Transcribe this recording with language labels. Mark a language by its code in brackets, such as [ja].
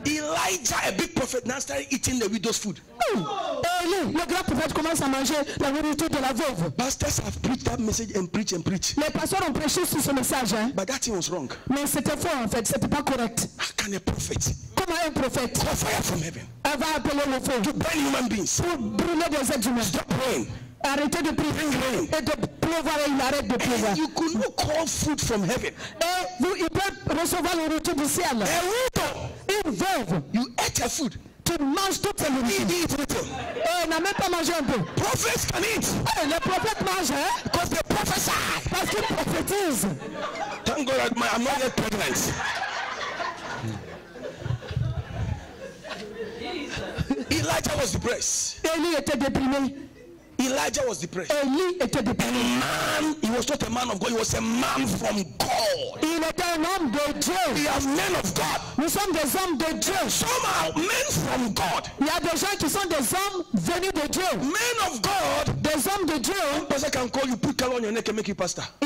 [en] Elijah, a big prophet, now started eating the widow's food. [fr] Le grand prophète commence à manger la nourriture de la veuve. [en] Pastors have preached that message and preach and preach. [fr] Les pasteurs ont prêché sur ce message. Hein? [en] But that thing was wrong. [fr] Mais c'était faux en fait, c'était pas correct. [en] How can a prophet? [fr] Comment un prophète? [en] Call fire from heaven. [fr] Elle va appeler le feu. [en] To burn human beings. [fr] Pour brûler des êtres humains. [en] Stop praying. [fr] Arrêtez de prier. [en] Bring rain. [fr] Et de pleuvoir, et il arrête de pleuvoir. [en] You could not call food from heaven. [fr] Et vous, il peut recevoir la nourriture du ciel. [en] A widow. [fr] Une veuve. [en] You ate her food. [fr] Tu manges tout le monde. Eh, n'a même pas mangé un peu. [en] Prophets can eat. [fr] Eh, les prophètes mangent, hein? [en] Because they [fr] parce qu'ils prophétisent. [en] Thank God I'm not yet pregnant. Elijah was depressed. [fr] Elie était déprimé. [en] Elijah was depressed. [fr] Elie était déprimé. [en] A man, he was not a man of God. He was a man from God. [fr] Il était un homme de Dieu. [en] We are men of God. [fr] Nous sommes des hommes de Dieu. [en] Some are men from God. [fr] Il y a des gens qui sont des hommes venus de Dieu. [en] Men of God. [fr] Des hommes de Dieu. [en] One pastor can call you, put color on your neck and make you pastor.